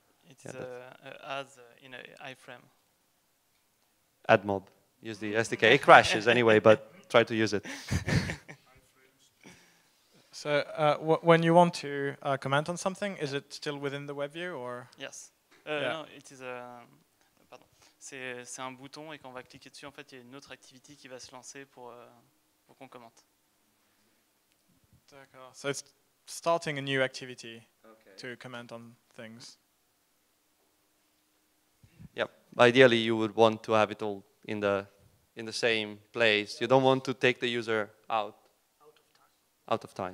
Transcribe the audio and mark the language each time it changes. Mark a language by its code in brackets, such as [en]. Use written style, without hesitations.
[en] it's in an iframe. AdMob. Use the SDK. It crashes anyway, but try to use it. So when you want to comment on something, is it still within the web view or? Yes. No, it is a. Pardon. [fr] C'est un bouton, et quand on va cliquer dessus, en fait, il y a une autre activité qui va se lancer pour qu'on commente. D'accord. [en] So it's starting a new activity to comment on things. Yep. Ideally, you would want to have it all in the. In the same place. You don't want to take the user out. Out of time.